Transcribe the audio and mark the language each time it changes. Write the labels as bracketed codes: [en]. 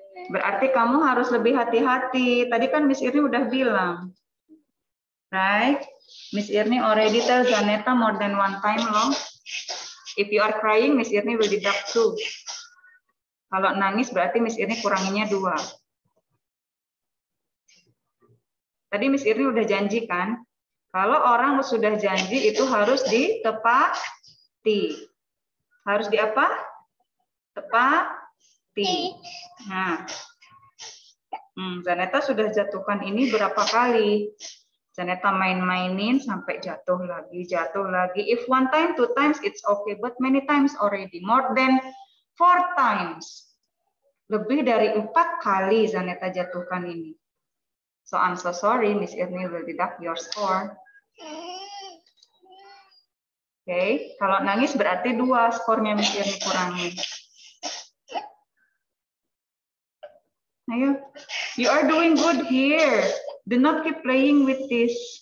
[id] Berarti kamu harus lebih hati-hati. Tadi kan Miss Irmi udah bilang. Right? [en] Miss Irni already tell Zaneta more than one time long. If you are crying, Miss Irni will deduct two. [id] Kalau nangis berarti Miss Irni kuranginnya dua. Tadi Miss Irni udah janji kan, Kalau orang sudah janji itu harus ditepati. Harus di apa? Tepati. Nah. Zaneta sudah jatuhkan ini berapa kali? Zaneta main-mainin sampai jatuh lagi. [en] If one time, two times, it's okay. But many times already. More than four times. [id] Lebih dari 4 kali Zaneta jatuhkan ini. [en] So I'm so sorry, Miss Irni will deduct your score. [id] Okay, kalau nangis berarti 2 skornya Miss Irni kurangi. [en] Ayo, you are doing good here. Do not keep playing with this.